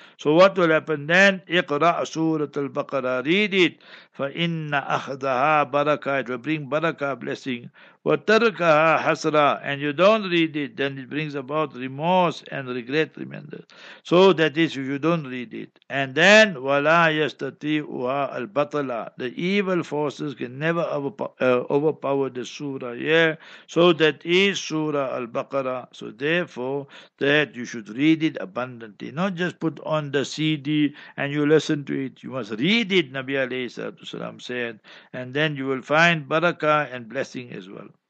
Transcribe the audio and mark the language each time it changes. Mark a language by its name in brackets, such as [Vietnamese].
[English] So what will happen then? Iqra Surah Al-Baqarah. Read it. [Arabic] فَإِنَّ أَخْذَهَا بَرَكَةً. [English] It will bring barakah, blessing. [Arabic] وَتَرْكَهَا حَسْرًا. [English] And you don't read it, then it brings about remorse and regret, remember. So that is, if you don't read it. And then, [Arabic] وَلَا يَسْتَطِيعُهَا الْبَطَلَةً. [English] The evil forces can never overpower the surah. Yeah? So that is Surah Al-Baqarah. So therefore, that you should read it abundantly. Not just put on the CD and you listen to it. You must read it, Nabi alayhi salam said, and then you will find barakah and blessing as well.